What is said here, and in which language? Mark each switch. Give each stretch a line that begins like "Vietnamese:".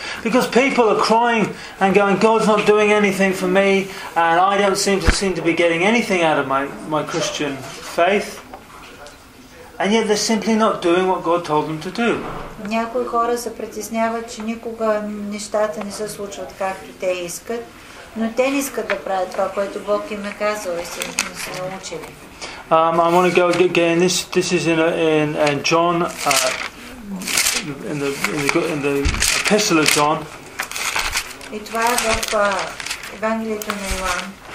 English: Because people are crying and going, God's not doing anything for me and I don't seem to be getting anything out of my Christian faith. And yet they're simply not doing what God told them to do.
Bulgarian: Някои хора се притесняват, че никога нещата не се случват както те искат. Но те не искат да правят това, което Бог им е казал и си не са научили.
English: I want to go again. This is in John, in the Epistle of John.
Bulgarian: И това е в Евангелието на Йоан.